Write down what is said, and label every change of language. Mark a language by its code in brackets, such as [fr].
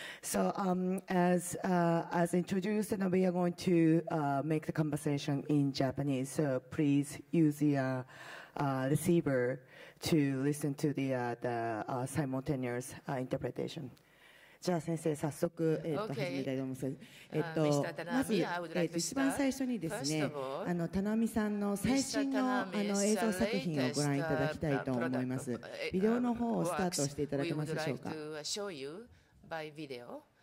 [en] So as introduced, we are going to make the conversation in Japanese. So please use the receiver to listen to the simultaneous interpretation. [ja] じゃあ先生早速、 [en] okay. [ja] 始めたいと思います。まず、一番最初にですね、田波さんの最新 の, あの映像作品をご覧いただきたいと思います。ビデオの方をスタートしていただけますでしょうか。 [en] We would like to show you by video.